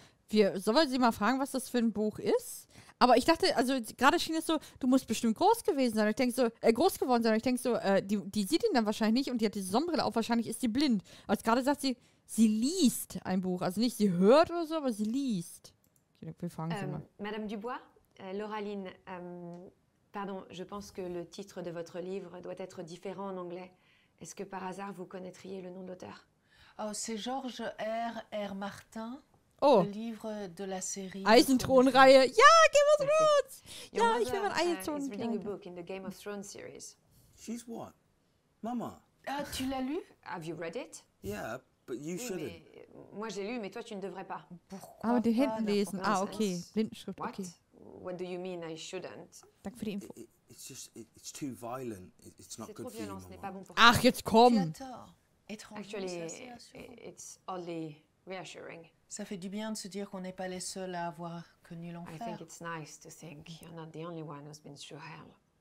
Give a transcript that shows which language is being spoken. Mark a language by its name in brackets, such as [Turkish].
[German] Wir sollen sie mal fragen, was das für ein Buch ist. Aber ich dachte, also gerade schien es so, du musst bestimmt groß gewesen sein. Ich denke so, groß geworden sein. Ich denke so, die sieht ihn dann wahrscheinlich nicht und die hat diese Sonnenbrille auf. Wahrscheinlich ist sie blind. Aber gerade sagt sie, sie liest ein Buch. Also nicht, sie hört oder so, aber sie liest. Okay, dann, wir fragen sie mal. [French] Madame Dubois, Lauraline, pardon, je pense que le titre de votre livre doit être différent en anglais. Est-ce que par hasard vous connaîtriez le nom d'auteur? Oh, c'est George R. R. Martin. Oh, Livre de la série [German] Eisenthron-Reihe. Ja, Game of Thrones! Ja, ich will mein Eisenthron-Reihe. [English] She's reading a book in the Game of Thrones series. She's what? Mama. [French] Tu l'as lu? [English] Have you read it? Yeah, But you shouldn't. [French] Moi j'ai lu, mais toi tu ne devrais pas. Pourquoi? [German] Ah, die Hände lesen. Ah, okay. Blindenschrift, okay. [English] What do you mean I shouldn't? [German] Danke für die Info. [English] It's too violent. It's not good for you. [German] Ach, jetzt komm! [English] Actually, it's only reassuring. [French] Ça fait du bien de se dire qu'on n'est pas les seuls à avoir connu l'enfer. [English] I think it's nice to think you're not the only one who's been through hell.